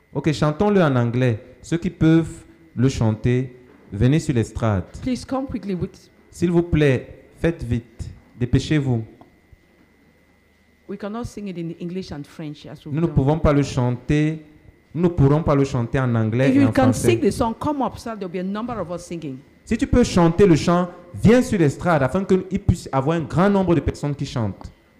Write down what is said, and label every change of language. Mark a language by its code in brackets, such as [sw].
[fr] Ok, chantons-le en anglais. Ceux qui peuvent le chanter, venez sur l'estrade. [en] Please come quickly. [fr] S'il vous plaît, faites vite. Dépêchez-vous. [en] We cannot sing it in English and French as we. [fr] Nous ne pouvons pas le chanter. Nous ne pourrons pas le chanter en anglais et en français. [en] If you can sing the song, come up. So there'll be a number of us singing. [fr] Si tu peux chanter le chant, viens sur l'estrade afin qu'il puisse avoir un grand nombre de personnes qui chantent.